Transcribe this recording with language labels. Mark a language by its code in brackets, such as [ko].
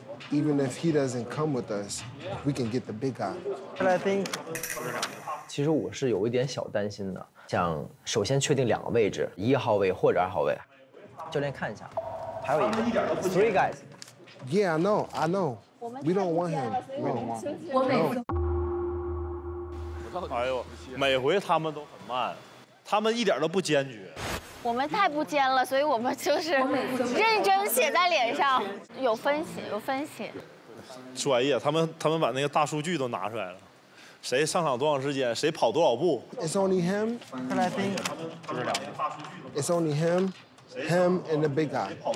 [en] Even if he doesn't come with us, we can get the big guy. I think. [zh] 其实我是有一点小担心的，想首先确定两个位置，一号位或者二号位。教练看一下，还有一个 [en] three guys. Yeah, I know, I know. We don't want him. No. [zh] 我每次。哎呦，每回他们都很慢，他们一点都不坚决。我们太不尖了，所以我们就是认真写在脸上，有分析，有分析。专业，他们把那个大数据都拿出来了，谁上场多长时间，谁跑多少步。 [en] It's only him. And I think. [zh] 就是两个。 [en] It's only him and the big guy.